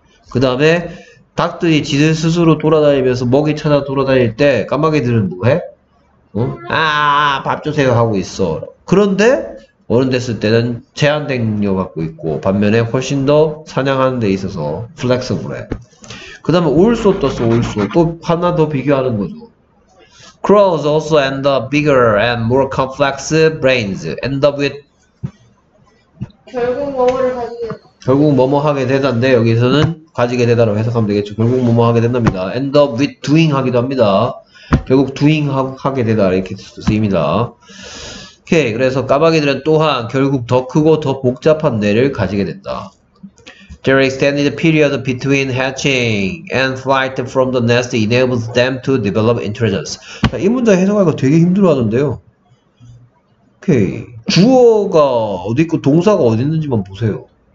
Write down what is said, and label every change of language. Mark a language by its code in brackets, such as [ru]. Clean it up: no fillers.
[ko] 그 다음에 닭들이 지들 스스로 돌아다니면서 먹이 찾아 돌아다닐 때 까마귀들은 뭐 해? 아, 밥 주세요 하고 있어. 그런데 어른 됐을 때는 제한된 능력을 갖고 있고, 반면에 훨씬 더 사냥하는 데 있어서 플렉서블해. 그 다음에 올소 떴어, 올소. 또 하나 더 비교하는 거죠. [en] Crows also end up bigger and more complex brains. End up with. [ko] 결국 뭐를 가지게 결국 뭐뭐 하게 되다인데, 여기서는 가지게 되다라고 해석하면 되겠죠. 결국 뭐뭐 하게 된답니다. [en] End up with doing [ko] 하기도 합니다. 결국 doing 하게 되다. 이렇게 쓰입니다. 오케이. 그래서 까마귀들은 또한 결국 더 크고 더 복잡한 뇌를 가지게 된다. [en] Their extended period between hatching and flight from the nest enables them to develop intelligence. [ko] 자, 이 문장 해석하기가 되게 힘들어하던데요. 오케이. 주어가 어디 있고 동사가 어디 있는지만 보세요.